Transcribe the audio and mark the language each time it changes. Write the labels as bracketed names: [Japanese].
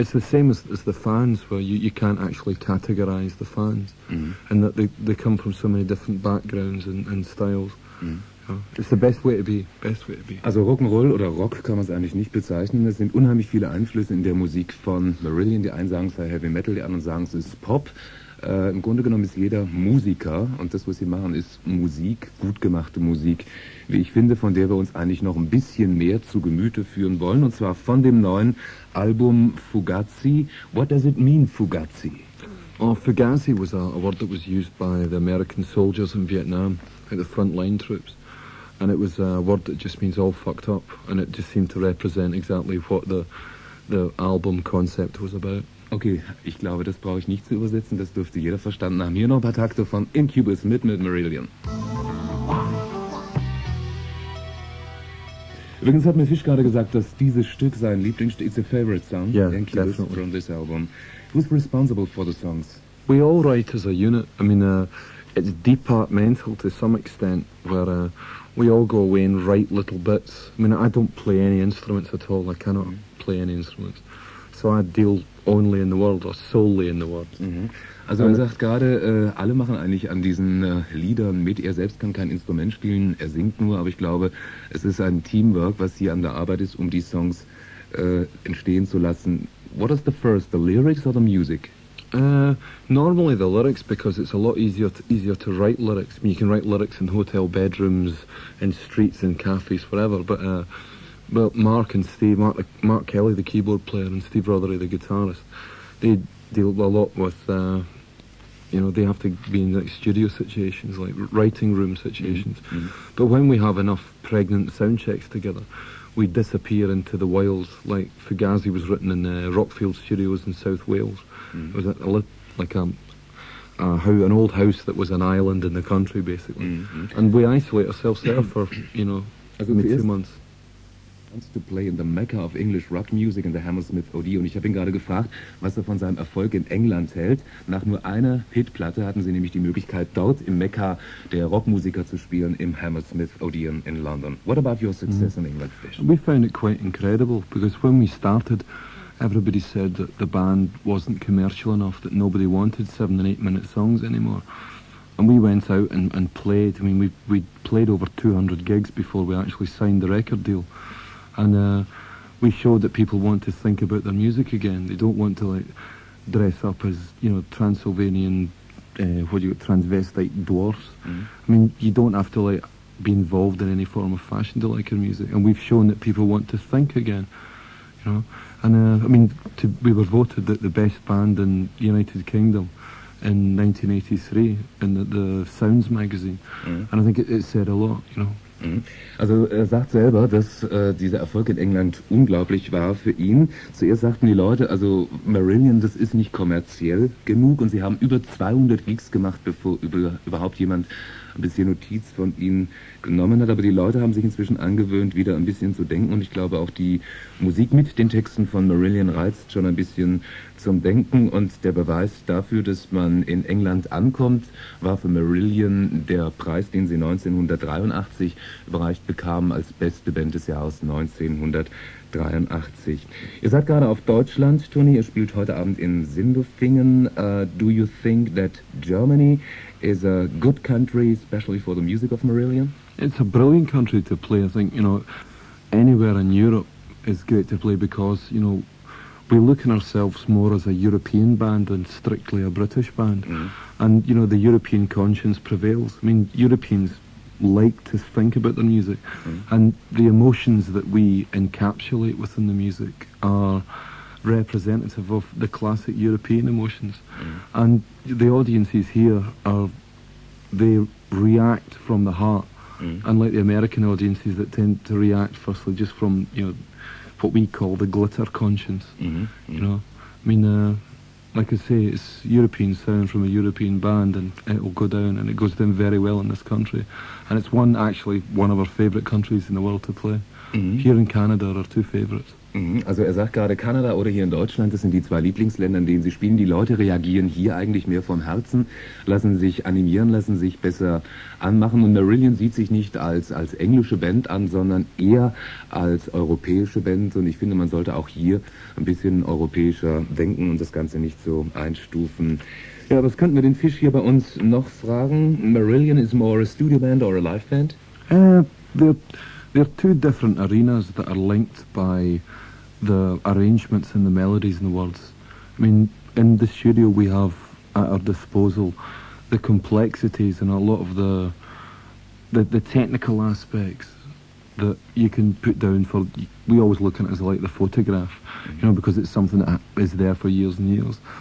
[English] It's the same as the fans, where you can't actually categorize the fans, mm-hmm. and that they come from so many different backgrounds and styles. Mm-hmm. So it's the best way to be, best way to be. [German] Also Rock'n'Roll oder Rock kann man es eigentlich nicht bezeichnen. Es sind unheimlich viele Einflüsse in der Musik von Marillion. Die einen sagen, es sei heavy metal, die anderen sagen, es ist Pop. Im Grunde genommen ist jeder Musiker und das, was sie machen, ist Musik, gut gemachte Musik, wie ich finde, von der wir uns eigentlich noch ein bisschen mehr zu Gemüte führen wollen, und zwar von dem neuen Album Fugazi. [English] What does it mean, Fugazi? Oh, Fugazi was a word that was used by the American soldiers in Vietnam, like the frontline troops, and it was a word that just means all fucked up, and it just seemed to represent exactly what the album concept was about. [German] Okay, ich glaube, das brauche ich nicht zu übersetzen, das dürfte jeder verstanden haben. Hier noch ein paar Takte von Incubus mit Marillion. Übrigens hat mir Fisch gerade gesagt, dass dieses Stück sein Lieblingsstück, [English] it's a favorite song, yeah, Incubus, definitely. From this album. Who's responsible for the songs? We all write as a unit. I mean, It's departmental to some extent, where we all go away and write little bits. I mean, I don't play any instruments at all. I cannot play any instruments. So I deal only in the world or solely in the world. Mm-hmm. [German] Also man sagt gerade, alle machen eigentlich an diesen Liedern mit. Er selbst kann kein Instrument spielen, er singt nur. Aber ich glaube, es ist ein Teamwork, was hier an der Arbeit ist, um die Songs entstehen zu lassen. [English] What is the first, the lyrics or the music? Normally the lyrics, because it's a lot easier to write lyrics. I mean, you can write lyrics in hotel bedrooms, in streets, in cafes, whatever. But Mark and Steve, Mark Kelly, the keyboard player, and Steve Rothery, the guitarist, they deal a lot with, you know, they have to be in like studio situations, like writing room situations. Mm-hmm. But when we have enough pregnant sound checks together, we disappear into the wild. Like Fugazi was written in Rockfield Studios in South Wales. Mm. It was an old house that was an island in the country, basically. Mm-hmm. And we isolate ourselves there for, you know, maybe 2 months. Wants to play in the Mecca of English rock music in the Hammersmith OD. [German] Und ich habe ihn gerade gefragt, was von seinem Erfolg in England hält. Nach nur einer Hitplatte hatten sie nämlich die Möglichkeit, dort im Mecca der Rockmusiker zu spielen im Hammersmith OD in London. [English] What about your success in England, Fish? We found it quite incredible, because when we started, everybody said that the band wasn't commercial enough, that nobody wanted 7 and 8 minute songs anymore. And we went out and played. I mean, we played over 200 gigs before we actually signed the record deal. And we showed that people want to think about their music again. They don't want to, like, dress up as, you know, Transylvanian, transvestite dwarfs. Mm-hmm. I mean, you don't have to, like, be involved in any form of fashion to like your music. And we've shown that people want to think again, you know. And, we were voted the best band in the United Kingdom in 1983 in the Sounds magazine. Mm-hmm. And I think it said a lot, you know. [German] Also er sagt selber, dass dieser Erfolg in England unglaublich war für ihn. Zuerst sagten die Leute, also Marillion, das ist nicht kommerziell genug, und sie haben über 200 Gigs gemacht, bevor überhaupt jemand ein bisschen Notiz von ihnen genommen hat. Aber die Leute haben sich inzwischen angewöhnt, wieder ein bisschen zu denken, und ich glaube auch die Musik mit den Texten von Marillion reizt schon ein bisschen zum Denken. Und der Beweis dafür, dass man in England ankommt, war für Marillion der Preis, den sie 1983 überreicht bekamen als beste Band des Jahres 1983. Ihr seid gerade auf Deutschland-Tournee, ihr spielt heute Abend in Sindelfingen. [English] Do you think that Germany is a good country, especially for the music of Marillion? It's a brilliant country to play. I think, you know, anywhere in Europe is great to play, because, you know, we look at ourselves more as a European band than strictly a British band. Mm-hmm. And, you know, the European conscience prevails. I mean, Europeans like to think about their music. Mm-hmm. And the emotions that we encapsulate within the music are representative of the classic European emotions. Mm-hmm. And the audiences here they react from the heart. Mm-hmm. Unlike the American audiences that tend to react firstly just from, you know, what we call the glitter conscience. Mm-hmm. Mm-hmm. You know, I mean, like I say, it's European sound from a European band, and it will go down, and it goes down very well in this country. And it's one of our favorite countries in the world to play. Mm-hmm. Here in Canada are our two favorites. [German] Also er sagt gerade, Kanada oder hier in Deutschland, das sind die zwei Lieblingsländer, in denen sie spielen. Die Leute reagieren hier eigentlich mehr vom Herzen, lassen sich animieren, lassen sich besser anmachen. Und Marillion sieht sich nicht als englische Band an, sondern eher als europäische Band. Und ich finde, man sollte auch hier ein bisschen europäischer denken und das Ganze nicht so einstufen. Ja, was könnten wir den Fisch hier bei uns noch fragen? [English] Marillion is more a studio band or a live band? There are two different arenas that are linked by the arrangements and the melodies and the words. I mean, in the studio we have at our disposal the complexities and a lot of the technical aspects that you can put down for, we always look at it as like the photograph, you know, because it's something that is there for years and years.